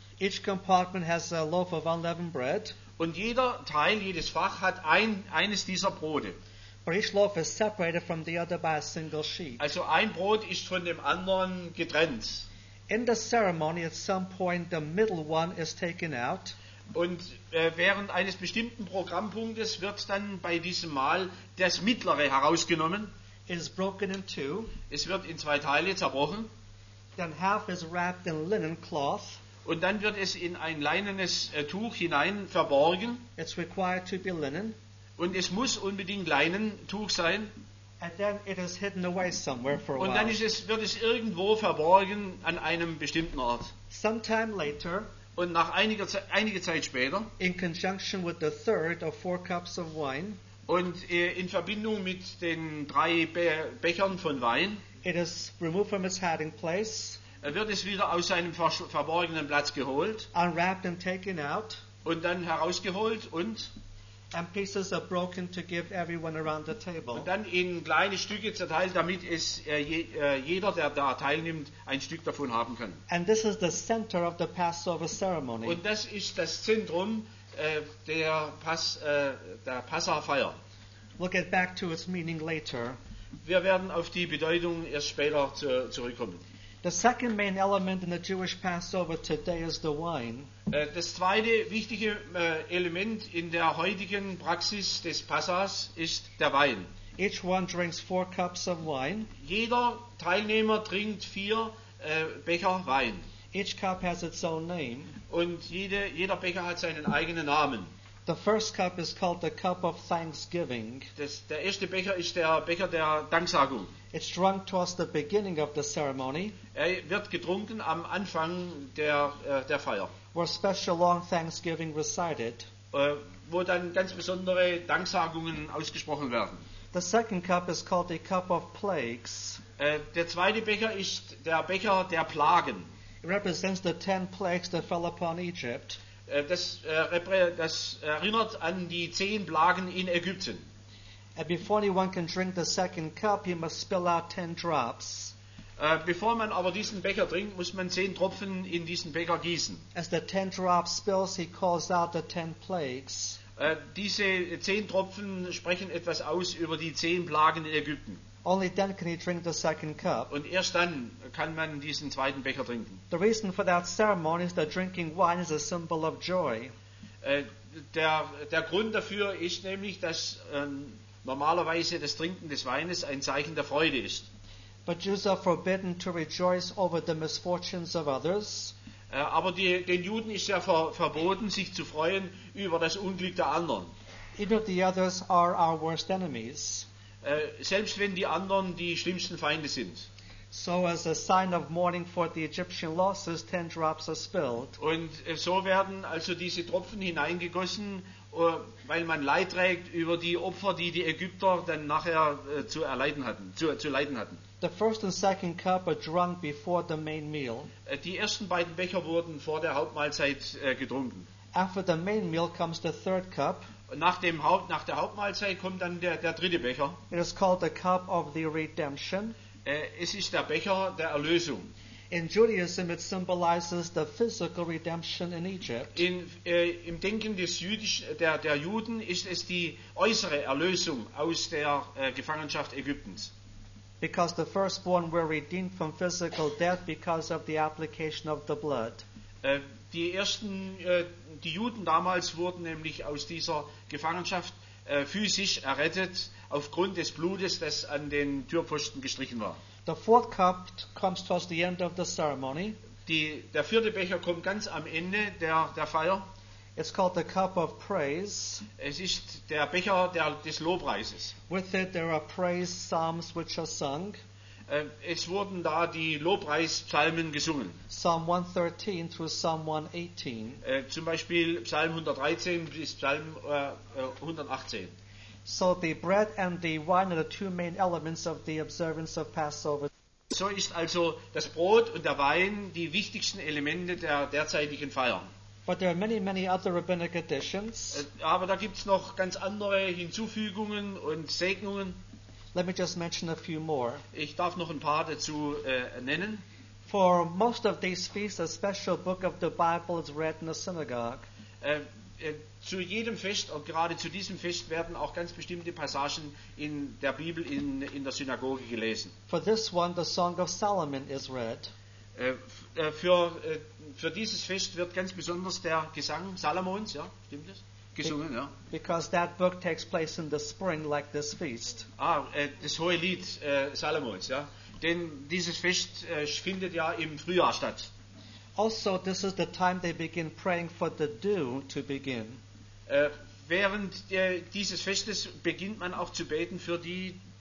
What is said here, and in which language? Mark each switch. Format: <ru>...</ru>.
<en>Each compartment has a loaf of unleavened bread.</en> <de>Und jeder Teil, jedes Fach hat eines dieser Brote.</de> <en>But each loaf is separated from the other by a single sheet.</en> <de>Also ein Brot ist von dem anderen getrennt.</de> <en>In the ceremony, at some point, the middle one is taken out.</en> <de>Und während eines bestimmten Programmpunktes wird dann bei diesem Mahl das mittlere herausgenommen.</de> <en>It is broken in two.</en> <de>Es wird in zwei Teile zerbrochen.</de> <en>Then half is wrapped in linen cloth.</en> <de>Und dann wird es in ein leinenes Tuch hinein verborgen.</de> <en>It's required to be linen.</en> <de>Und es muss unbedingt Leinentuch sein.</de> <en>And then it is hidden away somewhere for a while.</en> <de>Und dann wird es irgendwo verborgen an einem bestimmten Ort.</de> <en>Sometime later.</en> <de>Und nach einiger Zeit später.</de> <en>In conjunction with the third or four cups of wine.</en> <de>Und in Verbindung mit den drei Bechern von Wein.</de> <en>It is removed from its hiding place.</en> <de>Wird es wieder aus seinem verborgenen Platz geholt.</de> <en>Unwrapped and taken out.</en> <de>Und dann herausgeholt und.</de> <en>And pieces are broken to give everyone around the table.</en> <de>Und dann in kleine Stücke zerteilt, damit es jeder, der da teilnimmt, ein Stück davon haben kann.</de> <en>And this is the center of the Passover ceremony.</en> <de>Und das ist das Zentrum der Passahfeier.</de> <en>We'll get back to its meaning later.</en> <de>Wir werden auf die Bedeutung erst später zurückkommen.</de> <en>The second main element in the Jewish Passover today is the wine.</en> <de>Das zweite wichtige Element in der heutigen Praxis des Passahs ist der Wein.</de> <en>Each one drinks 4 cups of wine.</en> <de>Jeder Teilnehmer trinkt 4 Becher Wein.</de> <en>Each cup has its own name.</en> <de>Und jeder Becher hat seinen eigenen Namen.</de> <en>The first cup is called the cup of thanksgiving.</en> <de>Der erste Becher ist der Becher der Danksagung.</de> <en>It's drunk towards the beginning of the ceremony.</en> <de>Er wird getrunken am Anfang der Feier.</de> <en>Where special long thanksgiving recited.</en> <de>Wo dann ganz besondere Danksagungen ausgesprochen werden.</de> <en>The second cup is called the cup of plagues.</en> <de>Der zweite Becher ist der Becher der Plagen.</de> <en>It represents the 10 plagues that fell upon Egypt.</en> <de>Das erinnert an die 10 Plagen in Ägypten.</de> <en>And before anyone can drink the second cup, he must spill out 10 drops.</en> <de>Bevor man aber diesen Becher trinkt, muss man 10 Tropfen in diesen Becher gießen.</de> <en>As the 10 drops spills, he calls out the 10 plagues.</en> <de>Diese 10 Tropfen sprechen etwas aus über die 10 Plagen in Ägypten.</de> <en>Only then can he drink the second cup.</en> <de>Und erst dann kann man diesen zweiten Becher trinken.</de> <en>The reason for that ceremony is that drinking wine is a symbol of joy.</en> <de>Der Grund dafür ist nämlich, dass normalerweise das Trinken des Weines ein Zeichen der Freude ist.</de> <en>But Jews are forbidden to rejoice over the misfortunes of others.</en> <de>Aber den Juden ist ja verboten, sich zu freuen über das Unglück der anderen.</de> <en>Even if the others are our worst enemies.</en> <de>Selbst wenn die anderen die schlimmsten Feinde sind.</de> <en>So as a sign of mourning for the Egyptian losses, 10 drops are spilled.</en> <de>Und so werden also diese Tropfen hineingegossen, weil man Leid trägt über die Opfer, die Ägypter dann nachher zu leiden hatten.</de> <en>The first and second cup are drunk before the main meal.</en> <de>Die ersten beiden Becher wurden vor der Hauptmahlzeit getrunken.</de> <en>After the main meal comes the third cup.</en> <de>Nach der Hauptmahlzeit kommt dann der dritte Becher.</de> <en>It is called the cup of the redemption.</en> <de>Es ist der Becher der Erlösung.</de> <en>In Judaism it symbolizes the physical redemption in Egypt.</en> <de>Im Denken des der Juden ist es die äußere Erlösung aus der Gefangenschaft Ägyptens.</de> <en>Because the firstborn were redeemed from physical death because of the application of the blood.</en> <de>Die Juden damals wurden nämlich aus dieser Gefangenschaft physisch errettet aufgrund des Blutes, das an den Türpfosten gestrichen war.</de> <en>The fourth cup comes towards the end of the ceremony.</en> <de>Der vierte Becher kommt ganz am Ende der Feier.</de> <en>It's called the cup of praise.</en> <de>Es ist der Becher des Lobpreises.</de> <en>With it there are praise psalms which are sung.</en> <de>Es wurden da die Lobpreispsalmen gesungen.</de> <en>Psalm 113 through Psalm 118.</en> <de>Zum Beispiel Psalm 113 bis Psalm 118.</de> <en>So the bread and the wine are the two main elements of the observance of Passover.</en> <de>So ist also das Brot und der Wein die wichtigsten Elemente der derzeitigen Feier.</de> <en>But there are many, many other rabbinic additions.</en> <de>Aber da gibt's noch ganz andere Hinzufügungen und Segnungen.</de> <en>Let me just mention a few more.</en> <de>Ich darf noch ein paar dazu nennen.</de> <en>For most of these feasts, a special book of the Bible is read in the synagogue.</en> <de>Zu jedem Fest und gerade zu diesem Fest werden auch ganz bestimmte Passagen in der Bibel in der Synagoge gelesen.</de> <en>For this one, the Song of Solomon is read.</en> <de>Für dieses Fest wird ganz besonders der Gesang Salomons, ja, stimmt das? Gesungen, ja.</de> <en>Because that book takes place in the spring, like this feast.</en> <de>Das Hohe Lied Salomons, ja. Denn dieses Fest findet ja im Frühjahr statt.</de> <en>Also, this is the time they begin praying for the dew to begin.</en> <de>Während dieses Festes beginnt man auch zu beten für die.</de>